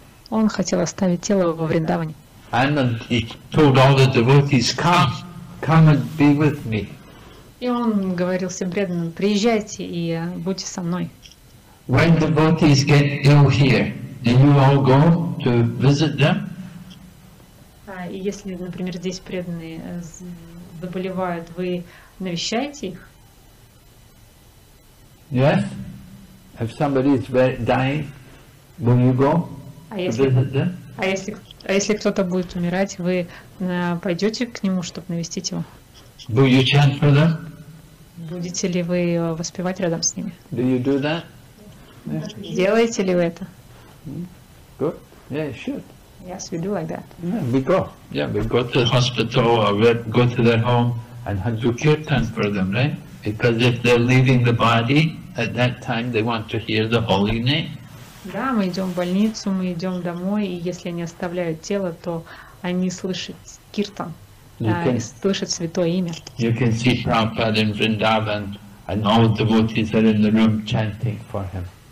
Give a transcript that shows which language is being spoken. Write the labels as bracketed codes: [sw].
[ru] Он хотел оставить тело во Вриндаване. И он говорил всем преданным, приезжайте и будьте со мной. [en] When devotees get ill here, do you all go to visit them? [ru] И если, например, здесь преданные заболевают, вы навещаете их? [en] Yes. If somebody is dying, will you go visit them? [ru] А если кто-то будет умирать, вы пойдете к нему, чтобы навестить его? [en] Will you chant for them? [ru] Будете ли вы воспевать рядом с ними? [en] Do you do that? Yes. [ru] Делаете ли вы это? [en] Good. Yeah, you should. Yes, we do like that. Yeah, we go. Yeah, we go to the hospital or go to their home and do kirtan for them, right? Because if they're leaving the body at that time, they want to hear the holy name. [ru] Да, мы идем в больницу, мы идем домой, и если они оставляют тело, то они слышат киртан, слышат святое имя. [en] You can see Prabhupada in Vrindavan. And all the devotees are in the room chanting for him.